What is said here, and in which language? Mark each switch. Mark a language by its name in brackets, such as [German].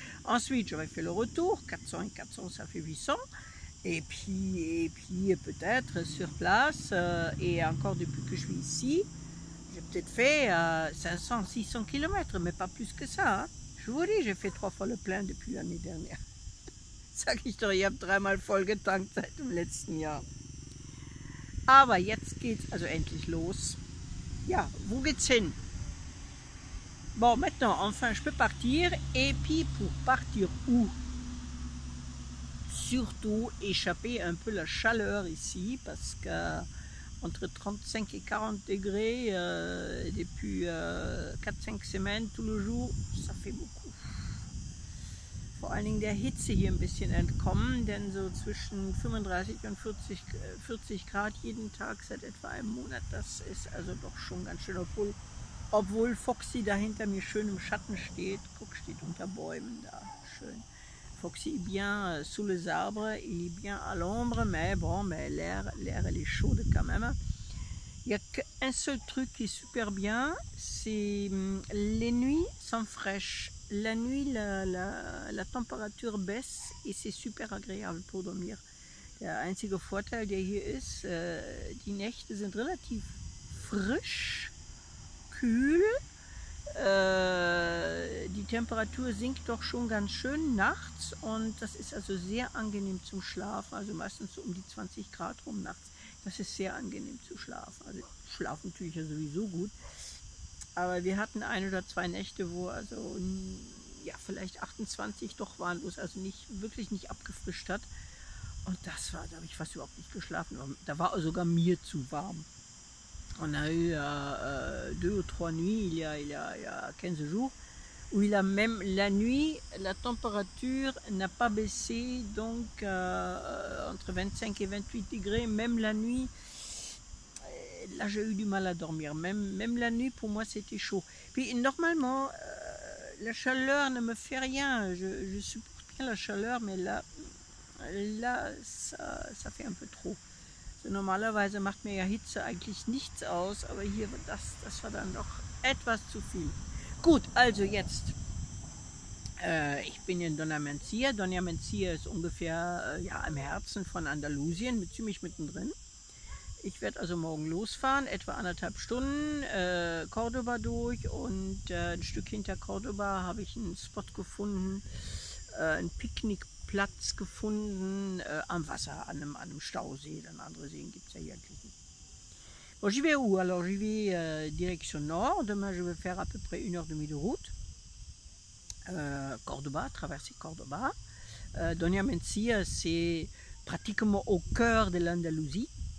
[French] Ensuite, j'aurais fait le retour, 400 et 400, ça fait 800. Et puis peut-être sur place, et encore depuis que je suis ici, j'ai peut-être fait 500, 600 km, mais pas plus que ça. Hein. Je vous dis, j'ai fait 3 fois le plein depuis l'année dernière. [German] Sag ich doch, ich habe 3 Mal voll getankt seit dem letzten Jahr. Aber jetzt geht's also endlich los. Ja, wo geht's hin? [French] Bon, maintenant, enfin, je peux partir. Et puis, pour partir où? Surtout échapper un peu la chaleur ici parce que entre 35 et 40 degrés depuis 4-5 semaines tout le jour, ça fait beaucoup. [German] Vor allen Dingen der Hitze hier ein bisschen entkommen, denn so zwischen 35 und 40 Grad jeden Tag seit etwa einem Monat, das ist also doch schon ganz schön. Obwohl Foxy da hinter mir schön im Schatten steht, guck, steht unter Bäumen da, schön. [French] Foxy est bien sous les arbres, il est bien à l'ombre, mais l'air elle est chaude quand même. Il n'y a qu'un seul truc qui est super bien, c'est les nuits sont fraîches. La nuit, la température baisse et c'est super agréable pour dormir. [German] Der einzige Vorteil, der hier ist, die Nächte sind relativ frisch, kühl. Die Temperatur sinkt doch schon ganz schön nachts und das ist also sehr angenehm zum Schlafen. Also meistens so um die 20 Grad rum nachts. Das ist sehr angenehm zu schlafen. Also schlafen tue ich ja sowieso gut. Aber wir hatten ein oder zwei Nächte, wo also ja, vielleicht 28 doch waren, wo es also nicht, wirklich nicht abgefrischt hat. Und das war, da habe ich fast überhaupt nicht geschlafen. Da war sogar mir zu warm. Und naja, [French] deux ou trois nuits, il y a 15 jours, où il a même la nuit, la température n'a pas baissé, donc entre 25 et 28 degrés, même la nuit. Là, j'ai eu du mal à dormir. Même la nuit, pour moi, c'était chaud. Puis, normalement, la chaleur ne me fait rien. Je supporte bien la chaleur, mais là, ça fait un peu trop. [German] Normalerweise macht mir ja Hitze eigentlich nichts aus, aber hier war das war dann noch etwas zu viel. Gut, also jetzt. Ich bin in Doña Mencía. Doña Mencía ist ungefähr ja, im Herzen von Andalusien, mit ziemlich mittendrin. Ich werde also morgen losfahren, etwa anderthalb Stunden Córdoba durch und ein Stück hinter Córdoba habe ich einen Spot gefunden, einen Picknickplatz gefunden am Wasser, an einem Stausee. Dann andere Seen gibt es ja hier eigentlich nicht. [French] Bon, j'y vais où? Alors, j'y vais direction nord. Demain, je vais faire à peu près 1h30 de route. Córdoba, traverser Córdoba. Doña Mencía, c'est pratiquement au cœur de l'Andalousie.